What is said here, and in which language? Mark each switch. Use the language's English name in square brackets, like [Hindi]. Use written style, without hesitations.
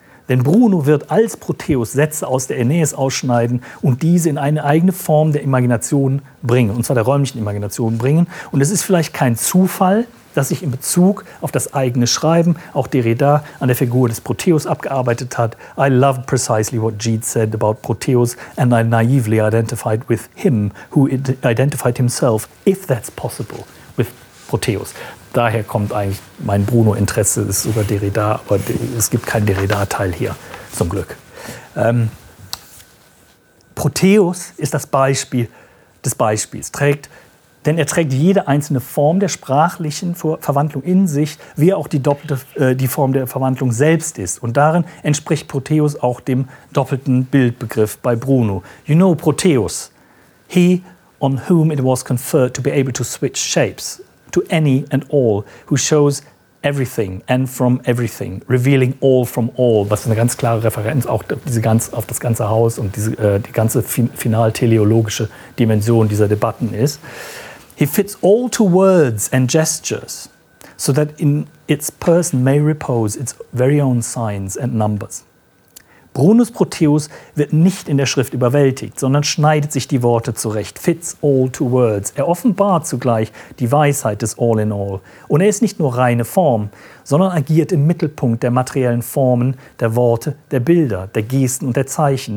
[German] Denn Bruno wird als Proteus Sätze aus der Aeneis ausschneiden und diese in eine eigene Form der Imagination bringen, und zwar der räumlichen Imagination bringen. Und es ist vielleicht kein Zufall, das sich in Bezug auf das eigene Schreiben auch Derrida an der Figur des Proteus abgearbeitet hat. [English] I loved precisely what Jeet said about Proteus and I naively identified with him who identified himself, if that's possible, with Proteus. [German] Daher kommt eigentlich mein Bruno-Interesse, ist über Derrida, aber es gibt keinen Derrida-Teil hier, zum Glück. Proteus ist das Beispiel des Beispiels, denn er trägt jede einzelne Form der sprachlichen Verwandlung in sich, wie auch die doppelte die Form der Verwandlung selbst ist. Und darin entspricht Proteus auch dem doppelten Bildbegriff bei Bruno. [English] You know Proteus, he on whom it was conferred to be able to switch shapes to any and all, who shows everything and from everything, revealing all from all. [German] Was eine ganz klare Referenz auch auf das ganze Haus und die ganze final teleologische Dimension dieser Debatten ist. [English] He fits all to words and gestures, so that in its person may repose its very own signs and numbers. [German] Brunus Proteus wird nicht in der Schrift überwältigt, sondern schneidet sich die Worte zurecht. [English] Fits all to words. [German] Er offenbart zugleich die Weisheit des All in All. Und er ist nicht nur reine Form, sondern agiert im Mittelpunkt der materiellen Formen, der Worte, der Bilder, der Gesten und der Zeichen.